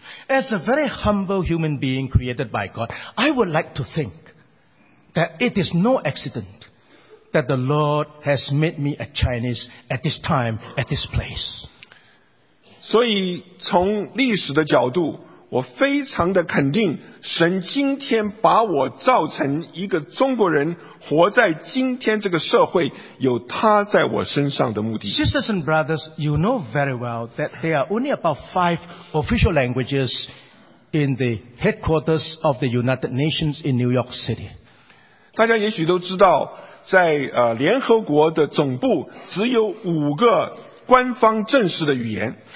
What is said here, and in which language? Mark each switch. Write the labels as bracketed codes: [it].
[en] As a very humble human being created by God, I would like to think that it is no accident. That the Lord has made me a Chinese at this time, at this place. [zh] 所以从历史的角度，我非常的肯定，神今天把我造成一个中国人，活在今天这个社会，有他在我身上的目的。 [en] Sisters and brothers, you know very well that there are only about 5 official languages in the headquarters of the United Nations in New York City. [zh] 大家也许都知道。在联合国的总部只有五个官方正式的语言。